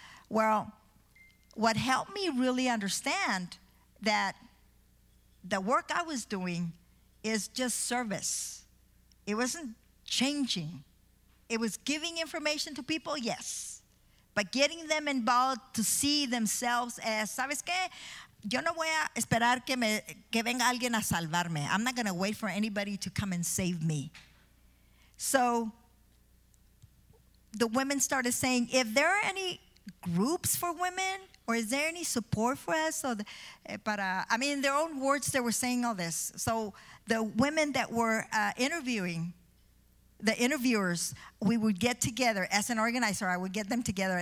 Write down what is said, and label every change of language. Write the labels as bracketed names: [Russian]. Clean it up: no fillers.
[English] Well, what helped me really understand that the work I was doing is just service. It wasn't changing. It was giving information to people, yes. But getting them involved to see themselves as, [Spanish] ¿sabes qué? Yo no voy a esperar que venga alguien a salvarme. [English] I'm not going to wait for anybody to come and save me. So the women started saying, if there are any groups for women, or is there any support for us? So, in their own words, they were saying all this. So the women that were interviewing, the interviewers, we would get together as an organizer. I would get them together.